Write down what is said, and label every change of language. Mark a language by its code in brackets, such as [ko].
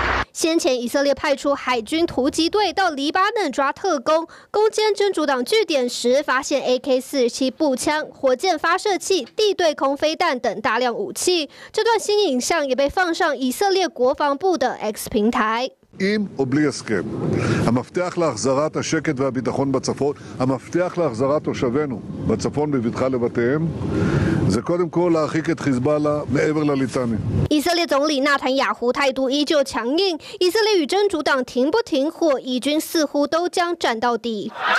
[zh] 先前以色列派出海军突击队到黎巴嫩抓特工，攻坚真主党据点时，发现 AK-47 步枪、火箭发射器、地对空飞弹等大量武器。这段新影像也被放上以色列国防部的 X 平台。 [he] עם או בלי הסכם. המפתח להחזרת השקט והביטחון בצפון, המפתח להחזרת תושבינו בצפון בבטחה לבתיהם, זה קודם כל להרחיק את חיזבאללה מעבר לליטני. [zh] 以色列总理纳坦雅胡态度依旧强硬，以色列与真主党停不停火，以军似乎都将战到底。